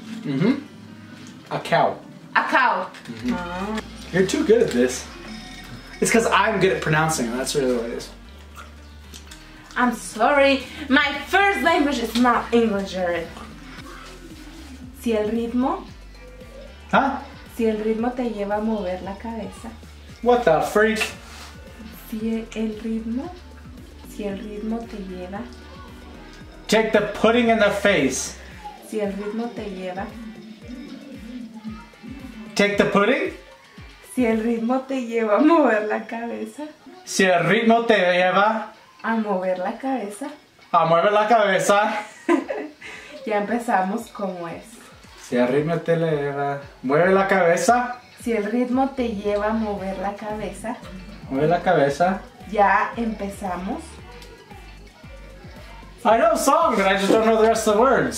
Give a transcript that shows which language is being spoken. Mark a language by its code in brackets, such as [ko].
[en] Mm-hmm. A cow. A cow. Mm-hmm. You're too good at this. It's because I'm good at pronouncing it, that's really what it is. I'm sorry, my first language is not English, Jared. [es] Si el ritmo... [en] Huh? [es] Si el ritmo te lleva a mover la cabeza. [en] What the freak? [es] Si el ritmo te lleva... [en] Take the pudding in the face. [es] Si el ritmo te lleva... [en] Take the pudding? [es] Si el ritmo te lleva a mover la cabeza. Si el ritmo te lleva... A mover la cabeza. A mover la cabeza. Ya empezamos como es. Si el ritmo te lleva... Mueve la cabeza. Si el ritmo te lleva a mover la cabeza. Mueve la cabeza. Ya empezamos. [en] I know song, but I just don't know the rest of the words.